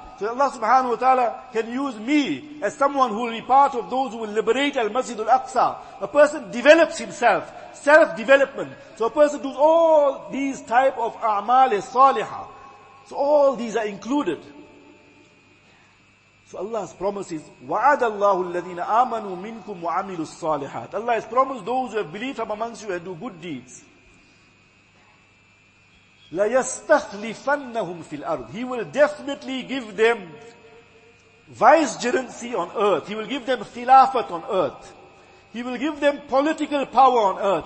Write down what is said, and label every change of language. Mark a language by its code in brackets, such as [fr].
[en] So that Allah subhanahu wa ta'ala can use me as someone who will be part of those who will liberate Al-Masjid Al-Aqsa. A person develops himself, self-development. So a person does all these type of a'mal as-saliha. So all these are included. So Allah's promise is, [ar] وَعَدَ اللَّهُ الَّذِينَ آمَنُوا مِنْكُمْ وَعَمِلُوا الصَّالِحَاتِ. [en] Allah has promised those who have believed from amongst you and do good deeds. [ar] لَيَسْتَخْلِفَنَّهُمْ فِي الْأَرْضِ. [en] He will definitely give them vicegerency on earth. He will give them khilafat on earth. He will give them political power on earth.